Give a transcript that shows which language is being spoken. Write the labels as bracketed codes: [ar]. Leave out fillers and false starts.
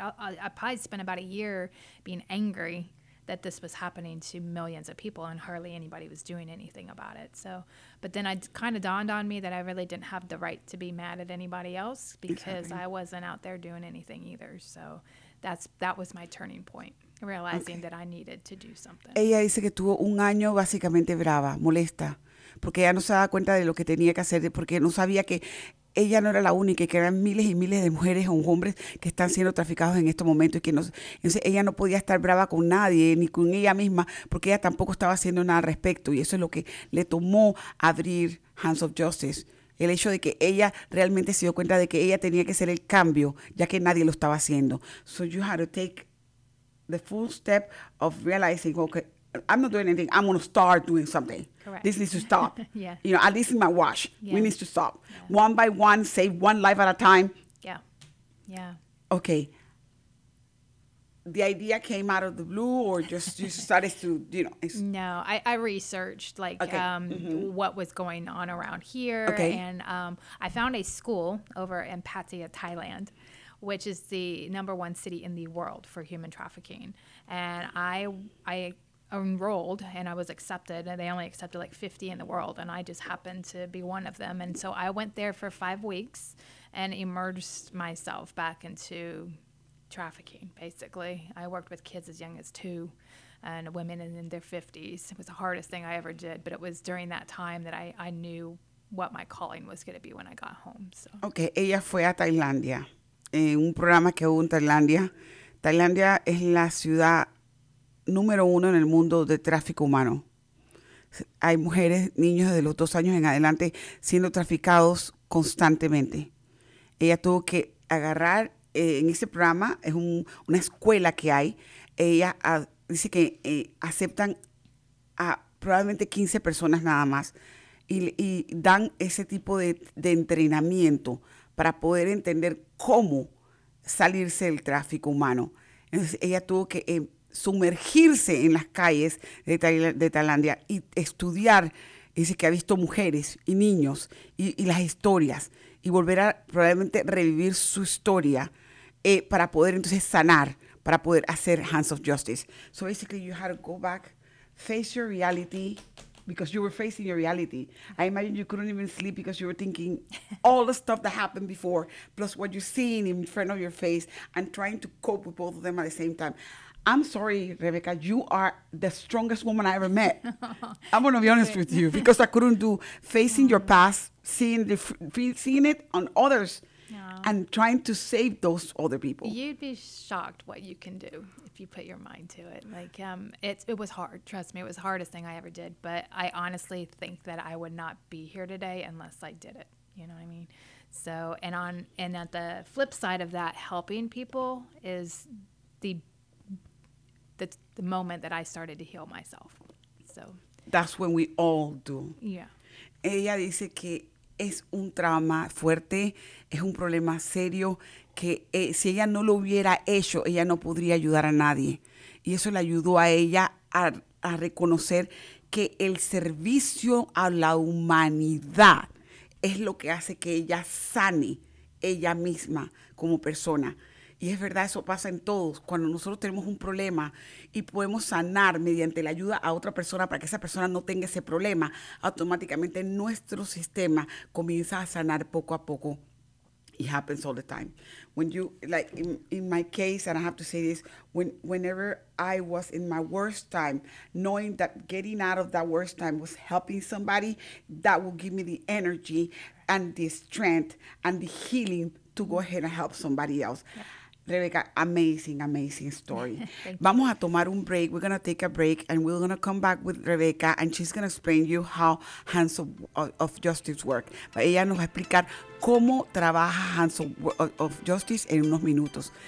[en] I probably spent about a year being angry that this was happening to millions of people and hardly anybody was doing anything about it. So, but then it kind of dawned on me that I really didn't have the right to be mad at anybody else because I wasn't out there doing anything either. So that was my turning point, realizing that I needed to do something. [es] Ella dice que tuvo un año básicamente brava, molesta, porque ella no se daba cuenta de lo que tenía que hacer, porque no sabía que ella no era la única y que eran miles y miles de mujeres o hombres que están siendo traficados en este momento. Entonces ella no podía estar brava con nadie ni con ella misma porque ella tampoco estaba haciendo nada al respecto. Y eso es lo que le tomó abrir Hands of Justice. El hecho de que ella realmente se dio cuenta de que ella tenía que ser el cambio ya que nadie lo estaba haciendo. [en] So you had to take the full step of realizing, okay, I'm not doing anything. I'm going to start doing something. Correct. This needs to stop. Yeah. You know, at least in my wash. Yeah. We need to stop. Yeah. One by one, save one life at a time. Yeah. Yeah. Okay. The idea came out of the blue or just you started to, you know. No, I researched what was going on around here. Okay. And I found a school over in Pattaya, Thailand, which is the number one city in the world for human trafficking. And I enrolled and I was accepted and they only accepted like 50 in the world and I just happened to be one of them. And so I went there for 5 weeks and immersed myself back into trafficking. Basically, I worked with kids as young as 2 and women in their 50s. It was the hardest thing I ever did, but it was during that time that I knew what my calling was going to be when I got home. So [es] okay, ella fue a Tailandia. en un programa que hubo en Tailandia. Tailandia es la ciudad número uno en el mundo de tráfico humano. Hay mujeres, niños desde los 2 años en adelante siendo traficados constantemente. Ella tuvo que agarrar en ese programa, es una escuela que hay. Ella dice que aceptan a probablemente 15 personas nada más y dan ese tipo de entrenamiento para poder entender cómo salirse del tráfico humano. Entonces ella tuvo que sumergirse en las calles de Tailandia y estudiar, dice que ha visto mujeres y niños y las historias y volver a probablemente revivir su historia para poder entonces sanar, para poder hacer Hands of Justice. [en] So basically you had to go back, face your reality because you were facing your reality. I imagine you couldn't even sleep because you were thinking all the stuff that happened before plus what you're seeing in front of your face and trying to cope with both of them at the same time. I'm sorry, Rebecca, you are the strongest woman I ever met. I'm going to be honest with you because I couldn't do facing your past, seeing it on others, and trying to save those other people. You'd be shocked what you can do if you put your mind to it. Like, it was hard. Trust me, it was the hardest thing I ever did. But I honestly think that I would not be here today unless I did it. You know what I mean? So, and at the flip side of that, helping people is the moment that I started to heal myself. So that's when we all do. Yeah. [es] Ella dice que es un trauma fuerte, es un problema serio, que si ella no lo hubiera hecho, ella no podría ayudar a nadie. Y eso le ayudó a ella a reconocer que el servicio a la humanidad es lo que hace que ella sane ella misma como persona. Y es verdad, eso pasa en todos. Cuando nosotros tenemos un problema y podemos sanar mediante la ayuda a otra persona para que esa persona no tenga ese problema, automáticamente nuestro sistema comienza a sanar poco a poco. [en] It happens all the time. When you, like in my case, and I have to say this, whenever I was in my worst time, knowing that getting out of that worst time was helping somebody, that will give me the energy and the strength and the healing to go ahead and help somebody else. Yeah. [es] Rebecca, [en] amazing, amazing story. [es] Vamos a tomar un break. [en] We're going to take a break and we're going to come back with Rebecca and she's going to explain you how Hands of Justice work. [es] Ella nos va a explicar cómo trabaja Hands of Justice en unos minutos.